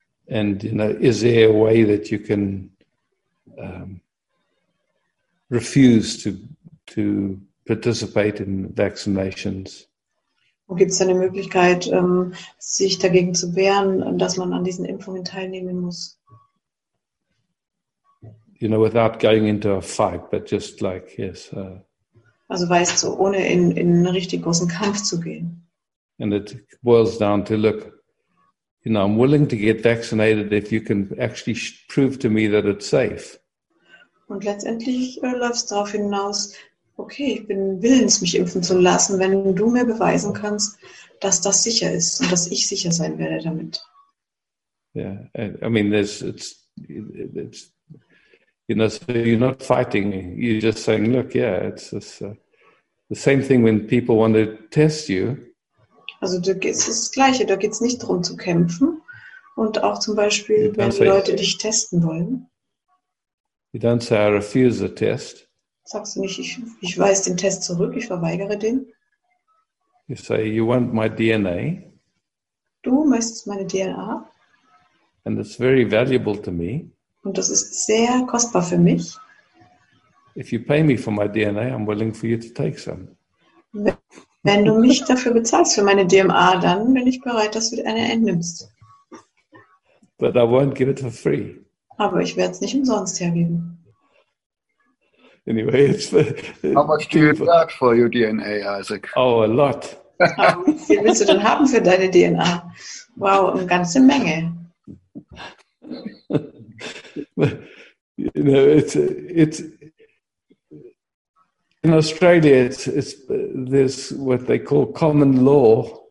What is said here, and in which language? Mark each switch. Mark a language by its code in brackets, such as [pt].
[en] And you know, is there a way that you can refuse to participate in vaccinations? [de] Wo gibt es eine Möglichkeit, sich dagegen zu wehren, dass man an diesen Impfungen teilnehmen muss? [en] You know, without going into a fight, but just like, yes. [de] Also weißt du, ohne in einen richtig großen Kampf zu gehen. [en] And it boils down to, look, you know, I'm willing to get vaccinated if you can actually prove to me that it's safe. [de] Und letztendlich läuft es darauf hinaus, okay, ich bin willens, mich impfen zu lassen, wenn du mir beweisen kannst, dass das sicher ist und dass ich sicher sein werde damit. [en] Yeah, I mean, it's you know, so you're not fighting. You're just saying, look, yeah, it's this, the same thing when people want to test you. [de] Also, da geht es das Gleiche. Da geht es nicht darum zu kämpfen. Und auch zum Beispiel, wenn die Leute dich testen wollen. [en] You don't say, I refuse the test. [de] Sagst du nicht, ich weise den Test zurück, ich verweigere den. [en] You say, you want my DNA. [de] Du möchtest meine DNA. [en] And it's very valuable to me. [de] Und das ist sehr kostbar für mich. [en] If you pay me for my DNA, I'm willing for you to take some. [de] Wenn du mich dafür bezahlst für meine DNA, dann bin ich bereit, dass du eine entnimmst. [en] But I won't give it for free. [de] Aber ich werde es nicht umsonst hergeben. [en] Anyway, it's for, how much do you want for your DNA, Isaac? Oh, a lot. [de] Wie viel willst du denn haben für deine DNA? Wow, eine ganze Menge. [en] You know, it's in Australia. It's this what they call common law.